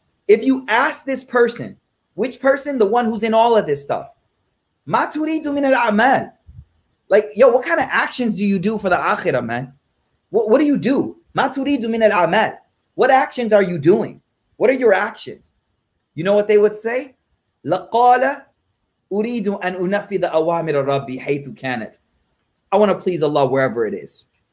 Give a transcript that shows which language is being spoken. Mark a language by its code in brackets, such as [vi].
[en] If you ask this person, which person? The one who's in all of this stuff. [ar] مَا تُرِيدُ مِنَ الْعَمَالِ. [en] Like, yo, what kind of actions do you do for the akhirah, man? What do you do? [ar] مَا تُرِيدُ مِنَ الْعَمَالِ. [en] What actions are you doing? What are your actions? You know what they would say? [ar] لَقَالَ أُرِيدُ أَنْ أُنَفِذَ أَوَامِرَ رَبِّي حَيْثُ كَانَتْ. [en] I want to please Allah wherever it is.